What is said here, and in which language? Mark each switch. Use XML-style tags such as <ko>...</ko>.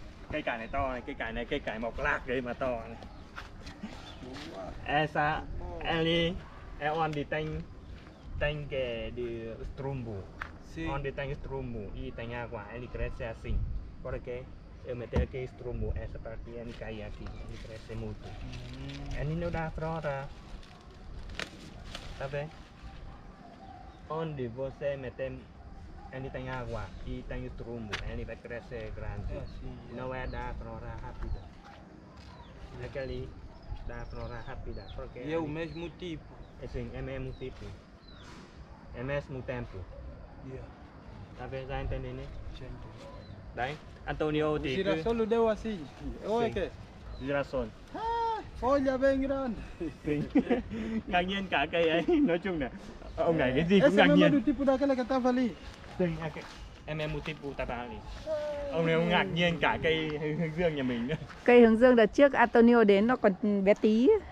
<vi>Cây cải này to này, cây cải mọc lạc đấy mà to này.</vi> <pt>Essa ali é onde tem que de strumbo. Sim. Onde tem strumbo e tem água, ele cresce assim. Por que eu meter aqui strumbo, essa parte ele cai aqui, ele cresce muito. Ele não dá flora. Tá vendo? Onde você meter, ele tem água e tem strumbo, ele vai crescer grande. Sim. Não é da flora rápida. Aquele da flora rápida. Porque e é o mesmo tipo. Sim, é o mesmo tipo. É o mesmo tempo. Tá vendo? Já entendi, né? Sim. Daí, Antonio... O girassol que... deu assim. Ou é que? Girassol. Ah, olha bem grande.</pt> <vi>Sim. Ngạc nhiên cả cây ấy. Nói chung là ông này cái gì cũng ngạc</vi> <pt>nhiên. Esse mesmo tipo daquela que tava ali. Sim, é o mesmo tipo que tava ali.</pt> <vi>Ông này cũng ngạc nhiên cả cây hướng dương nhà mình nữa. Cây hướng dương đợt trước Antonio đến nó còn bé tí.</vi>